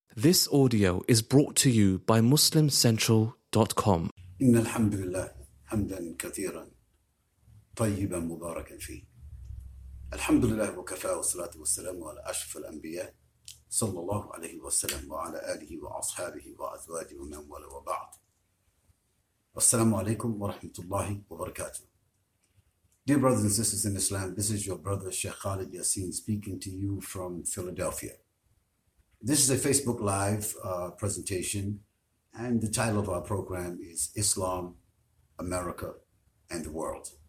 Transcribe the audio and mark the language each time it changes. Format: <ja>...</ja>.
<en>This audio is brought to you by MuslimCentral.com.</en> <ar>إن الحمد لله حمدا كثيرا طيبا مباركا فيه. الحمد لله وكفى والصلاة والسلام على أشرف الأنبياء صلى الله عليه وسلم وعلى آله وأصحابه وأزواجه ومن والاه وبعد. السلام عليكم ورحمة الله وبركاته.</ar> <en>Dear brothers and sisters in Islam, this is your brother Sheikh Khalid Yassin speaking to you from Philadelphia. This is a Facebook Live presentation, and the title of our program is Islam, America, and the World.</en>